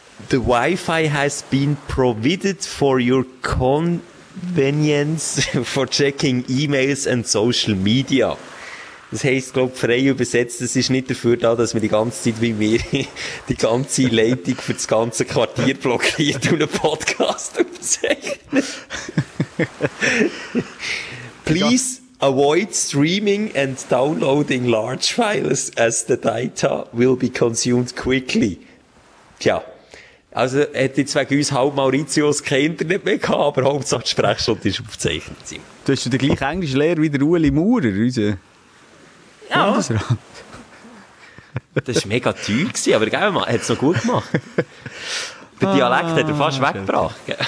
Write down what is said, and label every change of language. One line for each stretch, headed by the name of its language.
English: The Wi-Fi has been provided for your convenience for checking E-Mails and Social Media.
German: Das heisst, glaube ich, frei übersetzt, es ist nicht dafür da, dass wir die ganze Zeit wie wir die ganze Leitung für das ganze Quartier blockiert und einen Podcast aufzeichnen.
English: Please avoid streaming and downloading large files as the data will be consumed quickly.
German: Tja, also hätte ich wegen uns halb Mauritius kein Internet mehr gehabt, aber Hauptsache die Sprechstunde ist aufgezeichnet. Du hast den gleichen englischen Lehrer wie der Ueli Maurer, unser Bundesrat. Das war mega teuer gewesen, aber gell, hat es noch gut gemacht. Der Dialekt hat er fast weggebracht.